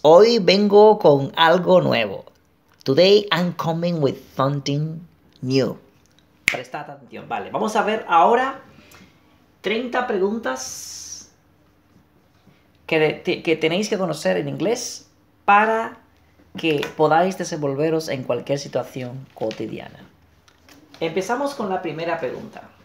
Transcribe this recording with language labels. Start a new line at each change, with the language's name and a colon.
Spanish: Hoy vengo con algo nuevo.
English: Today I'm coming with something new.
Spanish: Presta atención. Vale, vamos a ver ahora 30 preguntas que tenéis que conocer en inglés para que podáis desenvolveros en cualquier situación cotidiana. Empezamos con la primera pregunta.